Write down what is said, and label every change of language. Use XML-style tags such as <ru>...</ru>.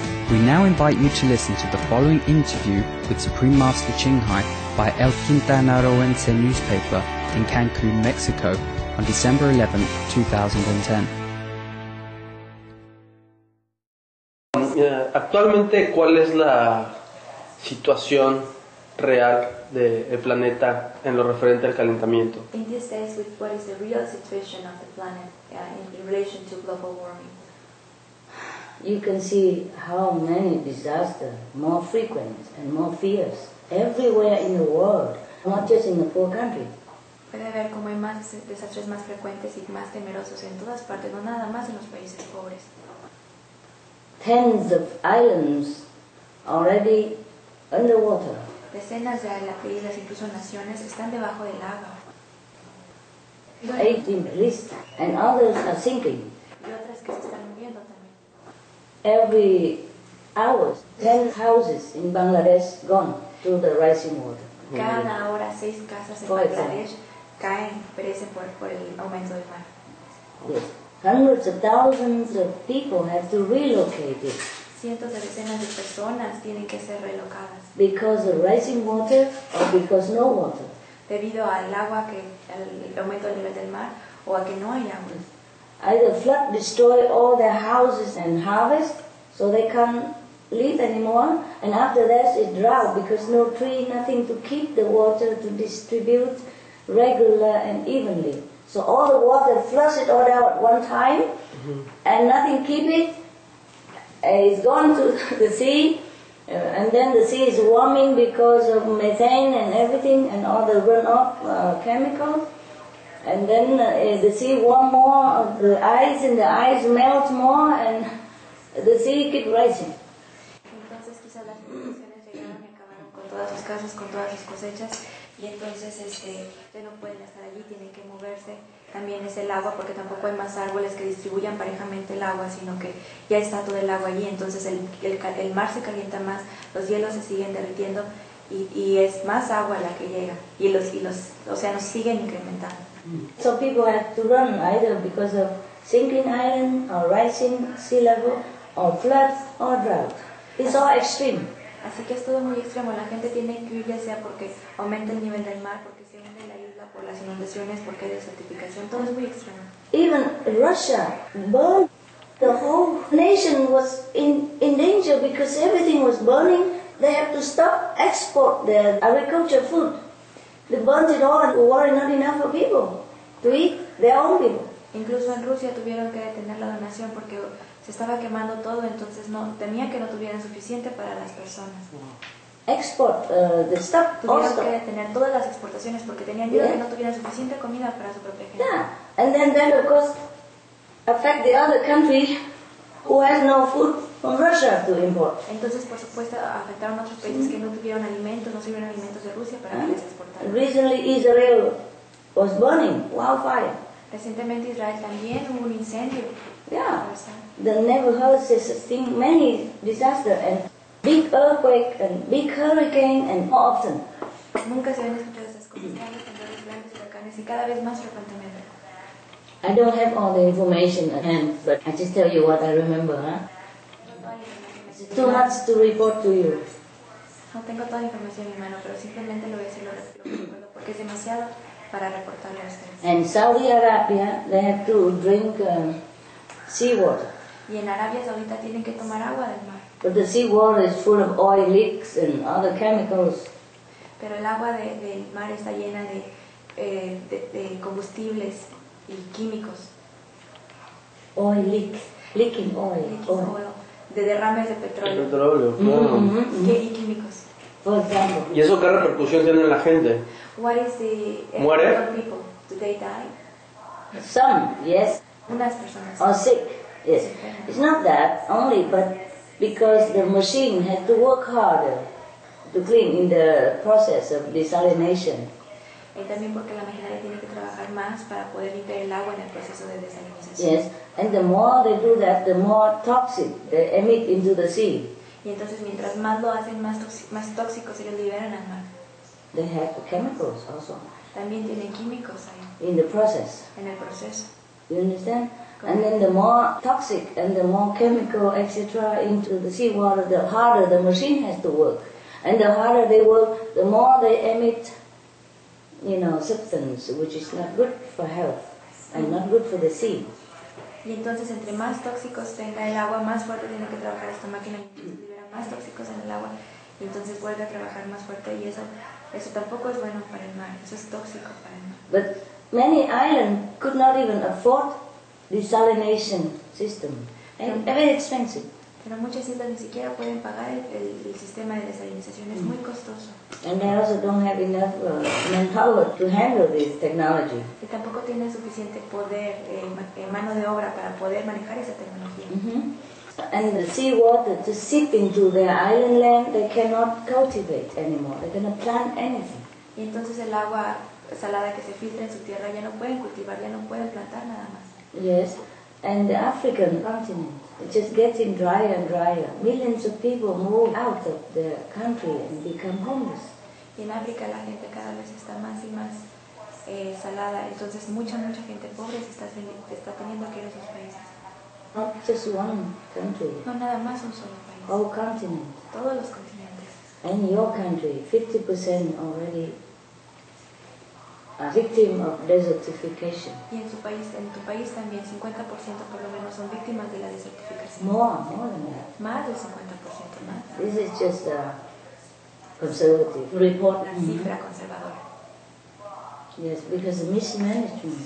<en>We now invite you to listen to the following interview with Supreme Master Qinghai by El Quintanarroense newspaper in Cancun, Mexico on December 11, 2010.</en> <es>Actualmente, ¿cuál es la situación real del planeta en lo referente al calentamiento?</es> <en>In these days, what is the real situation of the planet in relation to global warming? You can see how many disasters, more frequent and more fierce, everywhere in the world, not just in the poor countries.</en> <es>Puede ver cómo hay más desastres más frecuentes y más temerosos en todas partes, no nada más en los países pobres.</es> <en>Tens of islands already underwater.</en> <es>Decenas de islas, incluso naciones, están debajo del agua.</es> <en>18 at least, and others are sinking.</en> <es>Y otras que se están hundiendo también.</es> <en>Every hour, 10 houses in Bangladesh gone to the rising water.</en> <es>Cada hora, 6 casas en Bangladesh caen, perecen por el aumento del mar.</es> <en>Yes. Hundreds of thousands of people have to relocate it.</en> <es>Cientos de decenas de personas tienen que ser relocadas.</es> <en>Because of rising water or because no water.</en> <es>Debido al agua que el aumento del nivel del mar o a que no hay agua.</es> <en>Either flood destroy all their houses and harvest, so they can't live anymore. And after that, it drought because no tree, nothing to keep the water to distribute regular and evenly. So all the water flush it all out at one time, and nothing keep it. It's gone to the sea, and then the sea is warming because of methane and everything, and all the runoff chemicals. And then the sea warm more of the ice, and the ice melt more, and the sea keep rising.</en> <es>Entonces, quizá las condiciones llegaron y acabaron con todas sus casas, con todas sus cosechas. Y entonces ya no pueden estar allí, tienen que moverse. También es el agua, porque tampoco hay más árboles que distribuyan parejamente el agua, sino que ya está todo el agua allí. Entonces el mar se calienta más, los hielos se siguen derritiendo y es más agua la que llega. Y los océanos siguen incrementando.</es> <en>So people have to run either because of sinking island or rising sea level or floods or drought. It's all extreme.</en> <es>Así que es todo muy extremo, la gente tiene que huir ya sea porque aumenta el nivel del mar, porque se hunde la isla, por las inundaciones, porque hay desertificación, todo es muy extremo.</es> <en>Even Russia, burned. The whole nation was in danger because everything was burning. They have to stop export their agriculture food. They burned it all and were not enough for people to eat their own people.</en> <es>Incluso en Rusia tuvieron que detener la donación porque se estaba quemando todo, entonces no temía que no tuvieran suficiente para las personas.</es> <en>Export the stuff.</en> <es>Tuvieron que detener todas las exportaciones porque tenían miedo que no tuvieran suficiente comida para su propia gente.</es> <en>Yeah, and then of course affect the other country who has no food from Russia to import.</en> <es>Entonces, por supuesto, afectaron otros países que no tuvieron alimentos, no sirvieron alimentos de Rusia para exportar.</es> <en>Recently, Israel was burning, wildfire.</en> <es>Recientemente, Israel también hubo un incendio.</es> <en>Yeah, the neighborhoods is seeing many disaster and big earthquake and big hurricane and more often.</en> <es>Nunca se habían escuchado esas cosas, cada vez temblores grandes, huracanes y cada vez más frecuentemente.</es> <en>I don't have all the information at hand, but I just tell you what I remember, huh? It's too much to report to you.</en> <es>No tengo toda la información en mano, pero simplemente lo voy a decir lo recuerdo porque es demasiado para reportarle a ustedes.</es> <en>And Saudi Arabia, they have to drink sea water.</en> <es>Y en Arabia Saudita tienen que tomar agua del mar.</es> <en>But the sea water is full of oil leaks and other chemicals.</en> <es>Pero el agua del mar está llena de combustibles y químicos.</es> <en>Oil leaks, leaking oil. Leaking oil.</en> <es>De derrames de petróleo. El petróleo, claro. Y químicos. Por ejemplo. ¿Y eso qué repercusión tiene en la gente?</es> <en>What is the</en> <es>¿muere?</es> <en>People? Do they die? Some, yes.</en> <es>Unas personas.</es> <en>Or sick, yes. It's not that only, but because the machine has to work harder to clean in the process of desalination.</en> <es>Y también porque la maquinaria tiene que trabajar más para poder limpiar el agua en el proceso de desalinización.</es> <en>Yes, and the more they do that, the more toxic they emit into the sea.</en> <es>Y entonces mientras más lo hacen, más tóxicos se les liberan al mar.</es> <en>They have chemicals also.</en> <es>También tienen químicos ahí.</es> <en>In the process.</en> <es>En el proceso.</es> <en>You understand? And then the more toxic and the more chemical, etc., into the seawater, the harder the machine has to work. And the harder they work, the more they emit, you know, substance, which is not good for health and not good for the sea.</en> <es>Y entonces, entre más tóxicos tenga el agua, más fuerte tiene que trabajar esta máquina. Entonces, libera más tóxicos en el agua y entonces vuelve a trabajar más fuerte. Y eso tampoco es bueno para el mar. Eso es tóxico para el mar.</es> <en>But many islands could not even afford desalination system. It's very expensive.</en> <es>Pero muchas islas ni siquiera pueden pagar el sistema de desalinización. Es muy costoso.</es> <en>And they also don't have enough manpower to handle this technology.</en> <es>Y tampoco tienen suficiente poder, mano de obra para poder manejar esa tecnología.</es> <en>And the sea water to seep into their island land, they cannot cultivate anymore. They cannot plant anything.</en> <es>Y entonces el agua salada que se filtra en su tierra ya no pueden cultivar, ya no pueden plantar nada más.</es> <en>Yes, and the African continent is just getting drier and drier. Millions of people move out of the country and become homeless.</en> <es>Y en África la gente cada vez está más y más salada, entonces mucha gente pobre está teniendo que ir a sus países.</es> <en>Not just one country.</en> <es>No nada más un solo país.</es> <en>Whole continent.</en> <es>Todos los continentes.</es> <en>And your country, 50% already a victim of desertification.</en> <es>Y en tu país también 50% por lo menos son víctimas de la desertificación.</es> <en>More than that.</en> <es>Más del 50% más.</es> <en>This is just a conservative report.</en> <es>La cifra conservadora.</es> <en>Yes, because of mismanagement.</en>